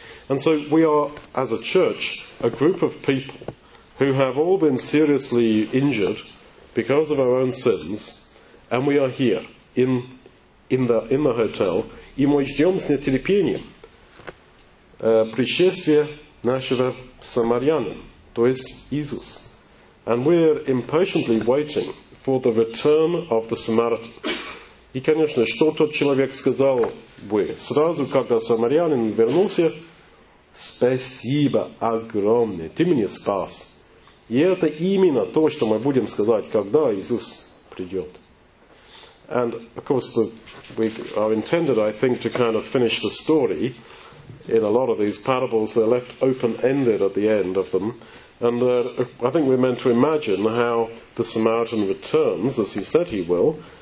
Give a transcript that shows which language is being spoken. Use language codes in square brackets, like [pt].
[en] And so we are, as a church, a group of people who have all been seriously injured because of our own sins, and we are here in the hotel, [ru] и мы ждем с нетерпением пришествия нашего Самарянина, то есть Иисус. [en] And we are impatiently waiting for the return of the Samaritan. [ru] И, конечно, что тот человек сказал бы сразу, когда Самарянин вернулся? Спасибо огромное, ты меня спас. И это именно то, что мы будем сказать, когда Иисус придет. [en] And of course, we are intended, I think, to kind of finish the story. In a lot of these parables, they're left open-ended at the end of them. And I think we're meant to imagine how the Samaritan returns, as he said he will.